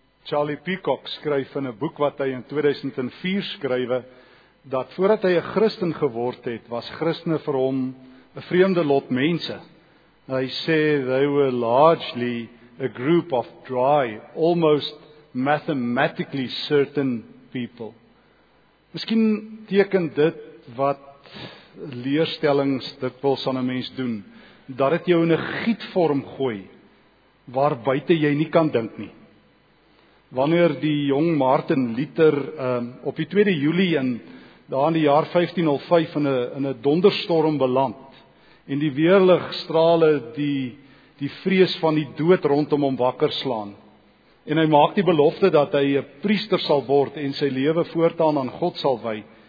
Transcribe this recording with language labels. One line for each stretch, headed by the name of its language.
Afrikaans: Charlie Peacock skryf in 'n boek wat hy in 2004 skrywe, dat voordat hy 'n Christen geword het, was Christene vir hom 'n vreemde lot mense. Hy sê,
English: they were largely a group of dry, almost mathematically certain people.
Afrikaans: Miskien teken dit wat leerstellings dit wil aan 'n mens doen, dat het jou in 'n gietvorm gooi, waar buite jy nie kan dink nie. Wanneer die jong Martin Luther op die 2 Julie in daar in die jaar 1505 in 'n donderstorm beland en die weerlig strale die vrees van die dood rondom hom wakker slaan en hy maak die belofte dat hy 'n priester sal word en sy lewe voortaan aan God sal wy,